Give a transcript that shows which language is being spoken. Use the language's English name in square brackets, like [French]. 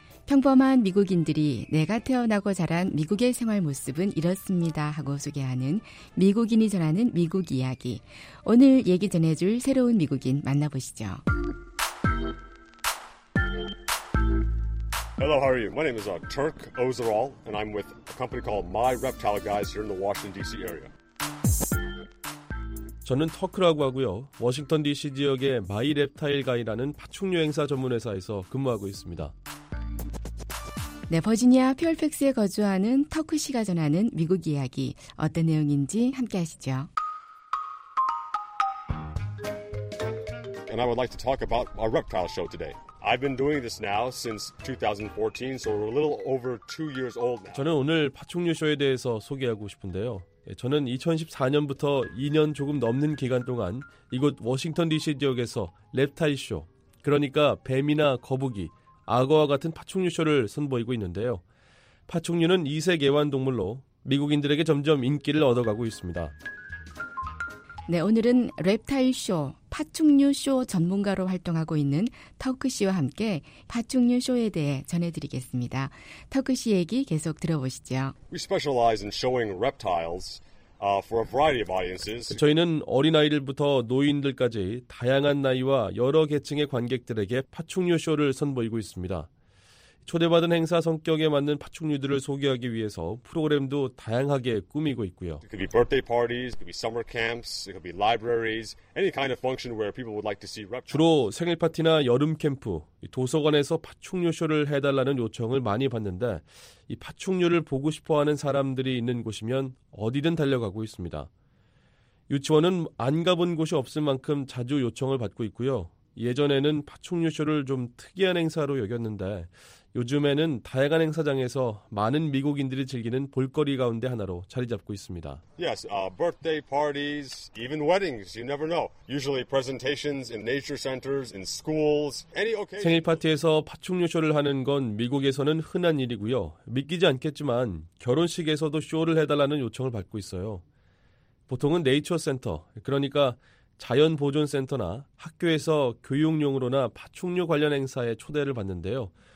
[Korean] 평범한 미국인들이 내가 태어나고 자란 미국의 생활 모습은 이렇습니다 하고 소개하는 미국인이 전하는 미국 이야기. 오늘 얘기 전해줄 새로운 미국인 만나보시죠. [English] Hello, how are you? My name is Turk Özeral, and I'm with a company called My Reptile Guys here in the Washington, D.C. area. [Korean] 저는 터크라고 하고요. 워싱턴 DC 지역의 마이 랩타일 가이라는 파충 여행사 전문 회사에서 근무하고 있습니다. 네, 버지니아 페어팩스에 거주하는 터크 씨가 전하는 미국 이야기 어떤 내용인지 함께 하시죠. [English] And I would like to talk about a reptile show today. I've been doing this now since 2014, so we're a little over 2 years old now. [Korean] 저는 오늘 파충류 쇼에 대해서 소개하고 싶은데요. 저는 2014년부터 2년 조금 넘는 기간 동안 이곳 워싱턴 DC 지역에서 랩타일 쇼, 그러니까 뱀이나 거북이, 악어와 같은 파충류 쇼를 선보이고 있는데요. 파충류는 이색 애완동물로 미국인들에게 점점 인기를 얻어가고 있습니다. 네, 오늘은 랩타일 쇼, 파충류 쇼 전문가로 활동하고 있는 터크 씨와 함께 파충류 쇼에 대해 전해드리겠습니다. 터크 씨 얘기 계속 들어보시죠. [English] We specialize in showing reptiles for a variety of audiences. [Korean] 저희는 어린아이들부터 노인들까지 다양한 나이와 여러 계층의 관객들에게 파충류 쇼를 선보이고 있습니다. 초대받은 행사 성격에 맞는 파충류들을 소개하기 위해서 프로그램도 다양하게 꾸미고 있고요. [English] It could be birthday parties, it could be summer camps, it could be libraries, any kind of function where people would like to see reptiles. [Korean] 주로 생일 파티나 여름 캠프, 도서관에서 파충류 쇼를 해달라는 요청을 많이 받는데 이 파충류를 보고 싶어하는 사람들이 있는 곳이면 어디든 달려가고 있습니다. 유치원은 안 가본 곳이 없을 만큼 자주 요청을 받고 있고요. 예전에는 파충류 쇼를 좀 특이한 행사로 여겼는데 요즘에는 다양한 행사장에서 많은 미국인들이 즐기는 볼거리 가운데 하나로 자리 잡고 있습니다. [English] Yes, birthday parties, even weddings, you never know. Usually presentations in nature centers, in schools, any occasion. [Korean] 생일 파티에서 파충류 쇼를 하는 건 미국에서는 흔한 일이고요. 믿기지 않겠지만 결혼식에서도 쇼를 해달라는 요청을 받고 있어요. 보통은 네이처 센터, 그러니까 자연보존센터나 학교에서 교육용으로나 파충류 관련 행사에 초대를 받는데요.